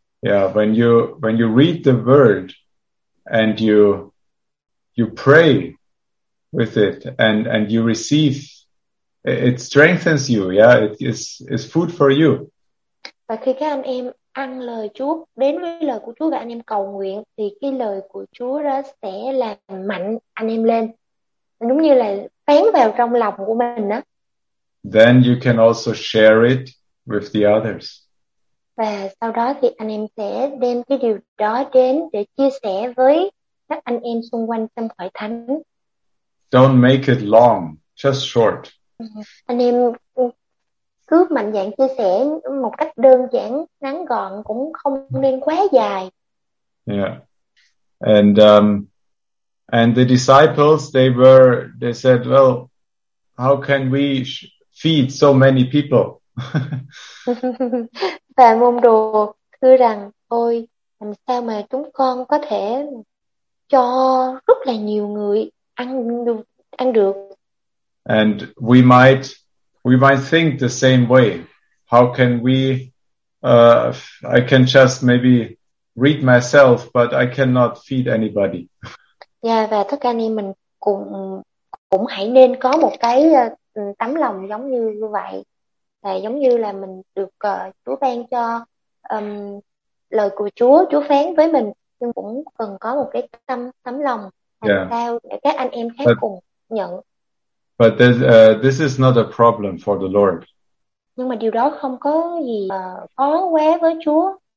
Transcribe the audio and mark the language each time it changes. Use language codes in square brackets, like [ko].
[en] Yeah, when you read the word and you pray with it and you receive, it strengthens you. Yeah, it's food for you. [vi] Và khi các anh em ăn lời Chúa, đến với lời của Chúa và anh em cầu nguyện thì cái lời của Chúa đó sẽ làm mạnh anh em lên, đúng như là phán vào trong lòng của mình đó. [en] Then you can also share it with the others. [vi] Và sau đó thì anh em sẽ đem cái điều đó đến để chia sẻ với các anh em xung quanh trong hội thánh. [en] Don't make it long, just short. [vi] Anh em cứ mạnh dạn chia sẻ một cách đơn giản, ngắn gọn, cũng không nên quá dài. Yeah. [en] And the disciples, they said, well, how can we feed so many people? [vi] Và môn đồ thưa rằng, ôi, làm sao mà chúng con có thể cho rất là nhiều người ăn được? [en] And we might think the same way. How can we? I can just maybe read myself, but I cannot feed anybody. [vi] Yeah, và tất cả anh em mình cũng hãy nên có một cái tấm lòng giống như vậy, và giống như là mình được Chúa ban cho lời của Chúa phán với mình, nhưng cũng cần có một cái tấm lòng sao để các anh em khác cùng nhận. [en] But this is not a problem for the Lord. [vi] Nhưng mà điều đó không có gì khó quá với Chúa.